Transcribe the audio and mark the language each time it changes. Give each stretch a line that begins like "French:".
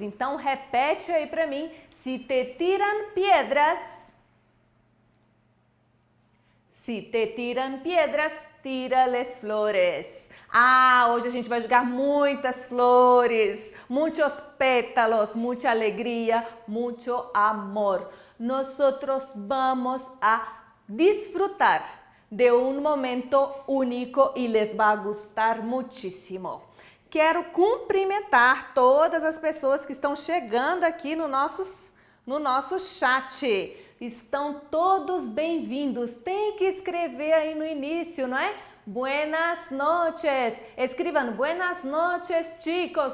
Portuguese: Então, repete aí pra mim.
Spanish: Si te tiran piedras, si te tiran piedras, tírales flores.
Portuguese: Ah, hoje a gente vai jogar muitas flores, muitos pétalos, muita alegria, muito amor.
Spanish: Nosotros vamos a disfrutar de um momento único e les va a gustar muchísimo.
Portuguese: Quero cumprimentar todas as pessoas que estão chegando aqui no nosso chat. Estão todos bem-vindos. Tem que escrever aí no início, não é?
Spanish: Buenas noches. Escrevam buenas noches, chicos.